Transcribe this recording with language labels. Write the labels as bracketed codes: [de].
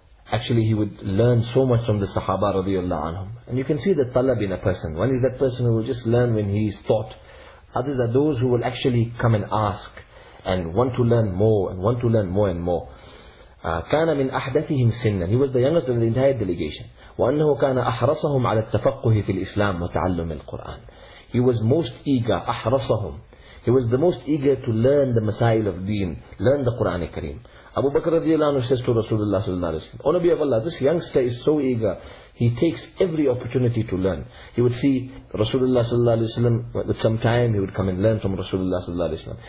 [en] Actually, he would learn so much from the Sahaba radiallahu anhum. And you can see the talab in a person. One is that person who will just learn when he is taught. Others are those who will actually come and ask and want to learn more and want to learn more and more. [ar] كان من أحدثهم سنًا. [en] He was the youngest of the entire delegation. [ar] وأنه كان أحرصهم على التفقه في الإسلام وتعلم القرآن. [en] He was most eager. أحرصهم. He was the most eager to learn the masail of deen, learn the Quran Kareem. Abu Bakr radiallahu anhu says to Rasulullah sallallahu alayhi wa sallam, O Nabi of Allah, this youngster is so eager, he takes every opportunity to learn. He would see Rasulullah sallallahu alayhi wa sallam, with some time he would come and learn from Rasulullah sallallahu alayhi wa sallam.